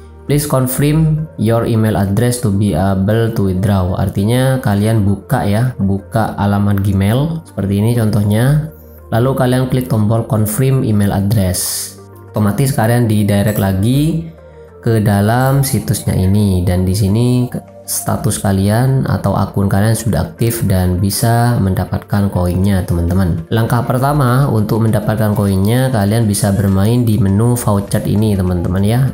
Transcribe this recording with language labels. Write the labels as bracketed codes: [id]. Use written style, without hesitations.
[en] Please confirm your email address to be able to withdraw. [id] Artinya kalian buka ya, buka alamat Gmail seperti ini contohnya. Lalu kalian klik tombol confirm email address. Otomatis kalian di-direct lagi ke dalam situsnya ini, dan di sini status kalian atau akun kalian sudah aktif dan bisa mendapatkan koinnya teman-teman. Langkah pertama untuk mendapatkan koinnya, kalian bisa bermain di menu voucher ini teman-teman ya.